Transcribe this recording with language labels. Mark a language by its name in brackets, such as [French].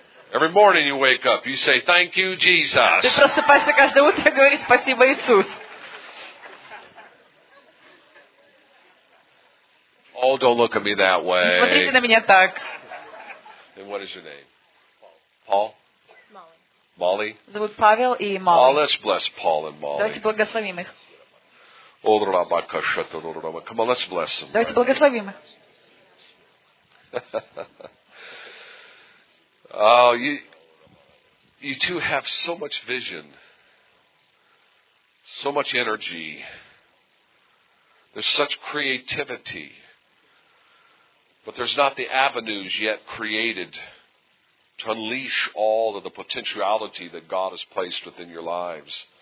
[English] Every morning you wake up, you say, "Thank you, Jesus." [Russian] Ты просыпаешься каждое утро и говоришь: "Спасибо, Иисус." [English] Oh, don't look at me that way. [Russian] Смотрите на меня так. [English] And what is your name? Paul. Molly. [Russian] Зовут Павел и Молли. [English] Oh, let's bless Paul and Molly. [Russian] Давайте благословим их. [English] Come on, let's bless them. [Russian] Давайте благословим их. [English] Oh, you two have so much vision, so much energy. There's such creativity, but there's not the avenues yet created to unleash all of the potentiality that God has placed within your lives.